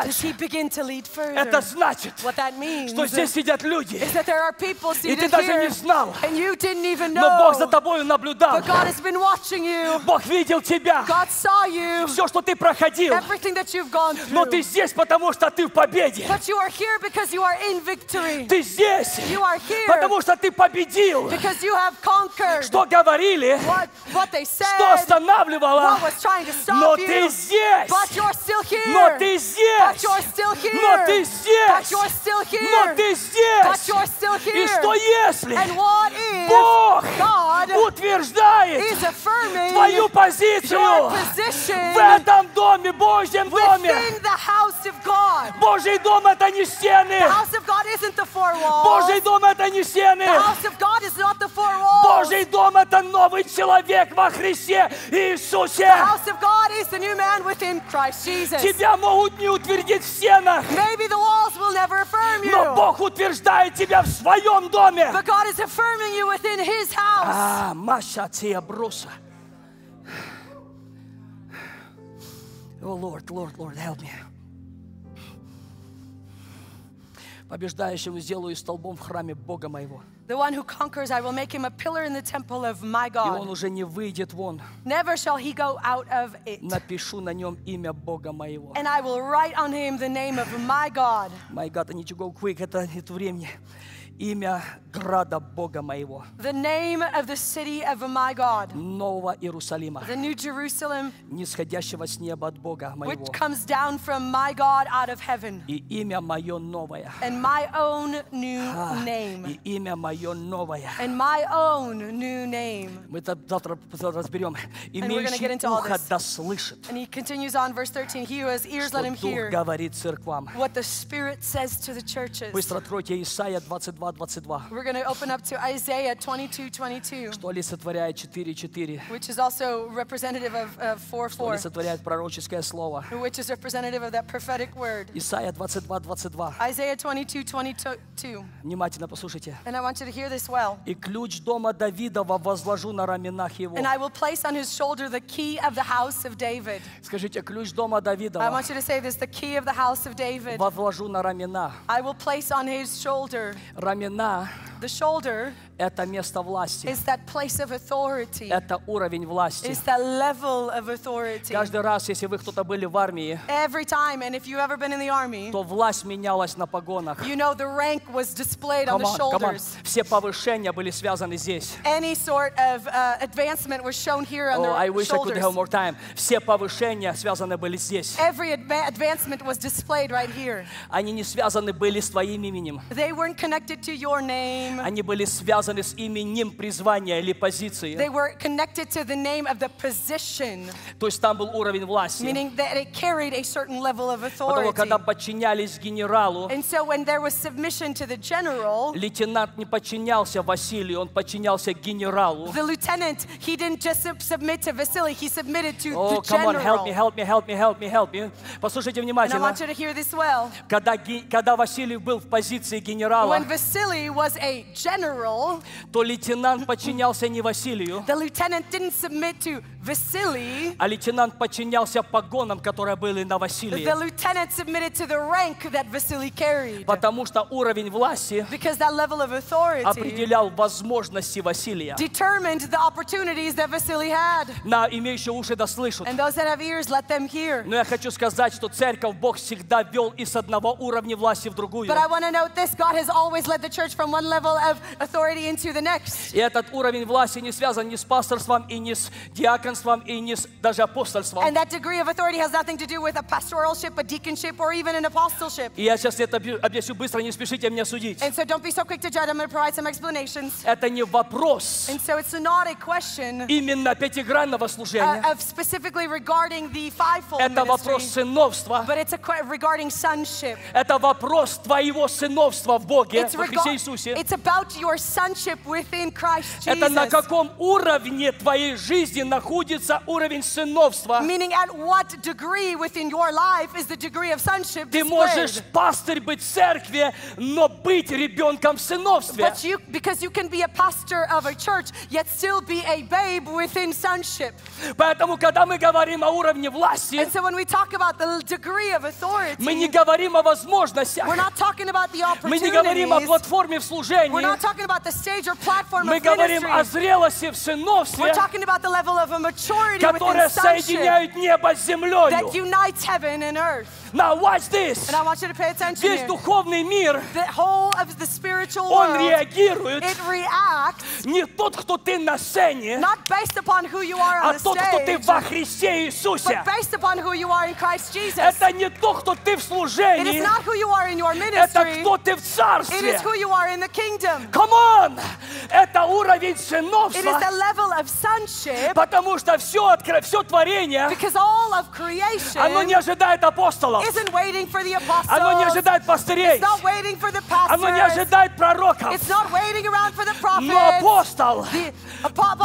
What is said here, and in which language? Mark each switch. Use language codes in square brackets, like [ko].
[en] Does He begin to lead further? [ru] Это значит, [en] what that means, [ru] что здесь сидят люди, [en] is that there are people seated [ru] и ты даже [en] here, [ru] не знал, [en] and you didn't even know, [ru] но Бог за тобою наблюдал, [en] but God has been watching you. [ru] Бог видел тебя, [en] God saw you. [ru] Все, что ты проходил, [en] everything that you've gone through. [ru] Но ты здесь, потому что ты в победе. [en] But you are here because you are in victory. [ru] Ты здесь, [en] you are here, [ru] потому что ты победил. [en] Because you have conquered. [ru] Что говорили, [en] what they said, [ru] что останавливало, [en] what was trying to stop [ru] но [en] you. [ru] Ты здесь, [en] but you're still here. [ru] Но ты здесь, [en] but you're still here. [ru] Но ты здесь, [en] but you're still here. [ru] Но ты здесь, [en] but you're still here. [ru] И что если, [en] and what if, [ru] Бог [en] God [ru] утверждает, [en] is affirming [ru] твою позицию, [en] your position, [ru] в этом доме, в Божьем доме. [en] Within the house of God. [ru] Божий дом — это не стены. [en] The house of God isn't the four walls. [ru] Божий дом — это не стены. [en] The house of God is not the four walls. [ru] Божий дом — это новый человек во Христе Иисусе. [en] The house of God is the new man within Christ Jesus. [ru] Тебя могут не утвердить в стенах. [en] Maybe the walls will never affirm you. [ru] Но Бог утверждает тебя в своем доме. [en] But God is affirming you within His house. [ru] А, Маша, ты обруса. [en] О, Лорд, Лорд, Лорд, help me. [ru] Побеждающему сделаю столбом в храме Бога моего. [en] The one who conquers, I will make him a pillar in the temple of my God. [ru] И он уже не выйдет вон. [en] Never shall he go out of it. [ru] Напишу на нем имя Бога моего. [en] And I will write on him the name of my God. My God, I need to go quick. [ru] Это нет времени. Имя града Бога моего. [en] The name of the city of my God. [ru] Нового Иерусалима. [en] The new Jerusalem. [ru] Нисходящего с неба от Бога моего. [en] Which comes down from my God out of heaven. [ru] И имя мое новое. [en] And my own new name. [ru] И имя мое новое. [en] And my own new name. [ru] Мы это завтра разберем. Имеющий ухо да слышит. [en] And he continues on verse 13. He who has ears, let him hear. [ru] Что Дух говорит церквам. [en] What the Spirit says to the churches. [ru] Быстро откройте Исаия 22:22. [en] We're going to open up to Isaiah 22:22. [ru] Что олицетворяет 4:4. [en] Which is also representative of 4:4. [ru] Что олицетворяет пророческое слово. [en] Which is representative of that prophetic word. [ru] Исаия 22:22. [en] Isaiah 22:22. [ru] Внимательно послушайте. [en] And I want you to hear this well. [ru] И ключ дома Давидова возложу на раменах его. [en] And I will place on his shoulder the key of the house of David. [ru] Скажите, ключ дома Давидова. [en] I want you to say this, the key of the house of David. [ru] Возложу на раменах. [en] I will place on his shoulder. [ru] Рамена. [en] The shoulder [ru] это место власти. [en] Is that place of authority. [ru] Это уровень власти. [en] Is that level of authority. [ru] Каждый раз, если вы кто-то были в армии, [en] every time, and if you've ever been in the army, [ru] то власть менялась на погонах. [en] You know, the rank was displayed on the shoulders. [ru] Все повышения были связаны здесь. [en] Any sort of advancement was shown here on the shoulders. Oh, I wish I could have more time. [ru] Все повышения связаны были здесь. [en] Every advancement was displayed right here. [ru] Они не связаны были с твоим именем. [en] They weren't connected to your name. [ru] Они были связаны с именем призвания или позиции. [en] They were connected to the name of the position. [ru] То есть там был уровень власти. [en] Meaning that it carried a certain level of authority. [ru] Потому когда подчинялись генералу, [en] and so when there was submission to the general, [ru] лейтенант не подчинялся Василию, он подчинялся генералу. [en] The lieutenant, he didn't just submit to Vasily, he submitted to oh, the general. Oh, come on, help me, help me, help me, help me, help me. [ru] Послушайте внимательно. [en] And I want you to hear this well. [ru] Когда Василий был в позиции генерала, [en] when Vasily was a general, [ru] то лейтенант подчинялся не Василию, [en] the lieutenant didn't submit to Vasily, [ru] а лейтенант подчинялся погонам, которые были на Василии. [en] The lieutenant submitted to the rank that Vasily carried. [ru] Потому что уровень власти, [en] because that level of authority, [ru] определял возможности Василия, [en] determined the opportunities that Vasily had. [ru] На имеющие уши да слышат. [en] And those that have ears, let them hear. [ru] Но я хочу сказать, что церковь Бог всегда вел из одного уровня власти в другую. [en] But I want to note this: God has always led the church from one level of authority into the next. [ru] И этот уровень власти не связан ни с пасторством, и ни с диаконством, и ни с даже апостольством. [en] And that degree of authority has nothing to do with a pastoralship, a deaconship, or even an apostleship. [ru] И я сейчас это объясню быстро, не спешите меня судить. [en] And so don't be so quick to judge. I'm going to provide some explanations. [ru] Это не вопрос. [en] And so it's not a question. [ru] Именно пятигранного служения. [en] Of specifically regarding the fivefold [ru] это вопрос сыновства. [en] But it's regarding sonship. [ru] Это вопрос твоего сыновства в Боге, [en] it's [ru] во Христе Иисусе. [en] It's about your sonship within Christ Jesus. [ru] Это на каком уровне твоей жизни находится уровень сыновства. [en] Meaning at what degree within your life is the degree of sonship displayed. [ru] Ты можешь пастырь быть в церкви, но быть ребенком в сыновстве. [en] But you, because you can be a pastor of a church, yet still be a babe within sonship. [ru] Поэтому, когда мы говорим о уровне власти, [en] and so when we talk about the degree of authority, [ru] мы не говорим о возможностях. [en] We're not talking about the opportunities. [ru] Мы не говорим о платформе в служении. [en] We're not talking about the stage or platform [ru] мы [en] of ministry. [ru] Мы говорим о зрелости в сыновстве. [en] We're talking about the level of a maturity [ru] которая [en] within sonship, [ru] соединяет небо с землей. [en] That unites heaven and earth. Now watch this. And I want you to pay attention. [ru] Весь духовный мир, [en] the whole of the spiritual [ru] он [en] world, [ru] реагирует. [en] It reacts. [ru] Не тот, кто ты на сцене, [en] not based upon who you are on [ru] а [en] the stage, [ru] тот, кто ты во Христе Иисусе, [en] but based upon who you are in Christ Jesus. [ru] Это не то, кто ты в служении. [en] It is not who you are in your ministry. [ru] Это кто ты в царстве. [en] It is who you are in the kingdom. Come on! [ru] Это уровень сыновства. [en] It is the level of sonship. [ru] Потому что все творение, [en] because all of creation, [ru] оно не ожидает апостола. [en] Isn't waiting for the apostles. [ru] Оно не ожидает пастырей. [en] It's not waiting for the pastors. [ru] Оно не ожидает пророков. [en] It's not waiting around for the prophets. [ru] Но апостол, [en] the apostle,